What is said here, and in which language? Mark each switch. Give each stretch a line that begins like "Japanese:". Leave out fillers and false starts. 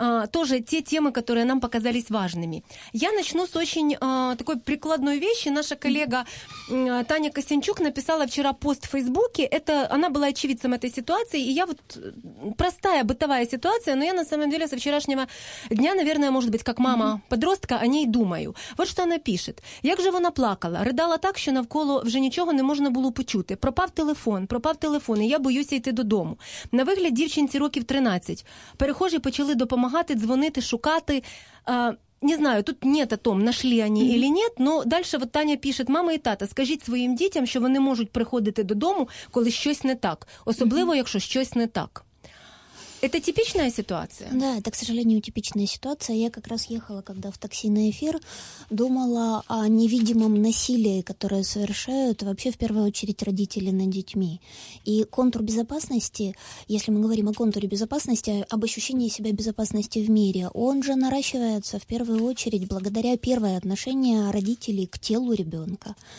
Russian: Тоже те темы, которые нам показались важными. Я начну с очень такой прикладной вещи. Наша коллега Таня Косинчук написала вчера пост в Фейсбуке. Это, она была очевидцем этой ситуации. И я вот... Простая бытовая ситуация, но я на самом деле со вчерашнего дня, наверное, может быть, как мама подростка, о ней думаю. Вот что она пишет.
Ukrainian: «Як же вона плакала? Ридала так, що навколо вже нічого не можна було почути. Пропав телефон, і я боюся йти додому. На вигляд дівчинці років 13. Перехожі почали допомагати, дзвонити, шукати.
Russian: Не знаю, тут нет о том, нашли они или нет, но дальше вот Таня пишет, мама и тата, скажите своим
Ukrainian: дітям, що вони можуть приходити додому, коли щось не так, особливо, якщо щось не так».
Russian: Это типичная ситуация? Да, это, к сожалению, типичная ситуация. Я как раз ехала, когда в такси на эфир, думала о невидимом насилии, которое совершают вообще в первую очередь родители над детьми. И контур безопасности, если мы говорим о контуре безопасности, об ощущении себя безопасности в мире, он же наращивается в первую очередь благодаря первое отношение родителей к телу ребенка.